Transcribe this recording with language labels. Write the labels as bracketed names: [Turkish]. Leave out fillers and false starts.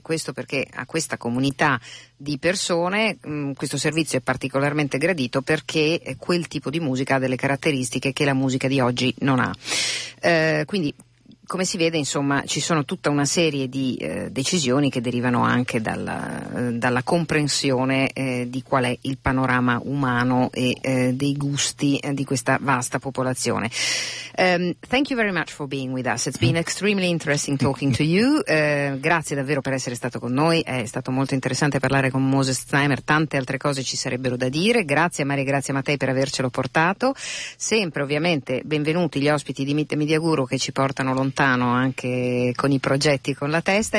[Italian] Questo perché a questa comunità di persone questo servizio è particolarmente gradito, perché quel tipo di musica ha delle caratteristiche che la musica di oggi non ha. Quindi come si vede, insomma, ci sono tutta una serie di decisioni che derivano anche dalla comprensione di qual è il panorama umano e dei gusti di questa vasta popolazione. [English] Thank you very much for being with us. It's been extremely interesting talking to you. [Italian] Grazie davvero per essere stato con noi. È stato molto interessante parlare con Moses Znaimer. Tante altre cose ci sarebbero da dire. Grazie a Maria Grazia Mattei per avercelo portato. Sempre ovviamente benvenuti gli ospiti di Meet the Media Guru, che ci portano lontano anche con i progetti, con la testa.